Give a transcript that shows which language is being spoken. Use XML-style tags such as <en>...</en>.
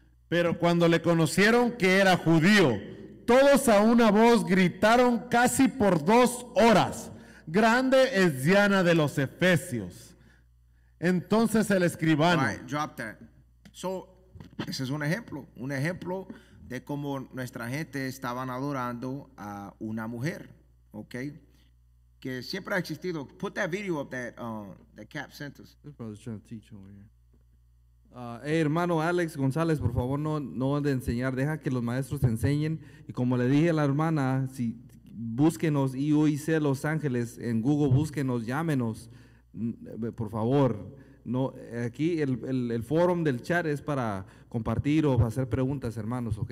<es>Pero cuando le conocieron que era judío, todos a una voz gritaron casi por dos horas, grande es Diana de los Efesios. Entonces el escribano.</es> <en>All right, drop that. So,</en> <es>ese es un ejemplo. De cómo nuestra gente estaban adorando a una mujer, ¿ok? Que siempre ha existido.</es> <en>Put that video up that the cap sent us. This brother's trying to teach over here.</en> <es>Hey, hermano Alex González, por favor, no de enseñar. Deja que los maestros enseñen. Y como le dije a la hermana, si búsquenos IUIC Los Ángeles en Google, búsquenos, llámenos, por favor. No, aquí el forum del chat es para compartir o hacer preguntas, hermanos, ¿ok?</es>